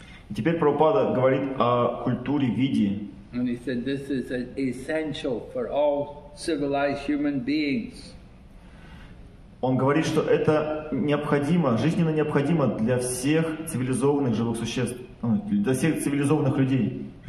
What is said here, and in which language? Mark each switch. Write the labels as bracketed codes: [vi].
[ru] И теперь Прабхупада говорит о культуре Видьи. [en] And he said this is essential for all civilized human beings. [ru] Он говорит, что это необходимо, жизненно необходимо для всех цивилизованных живых существ, для всех цивилизованных людей.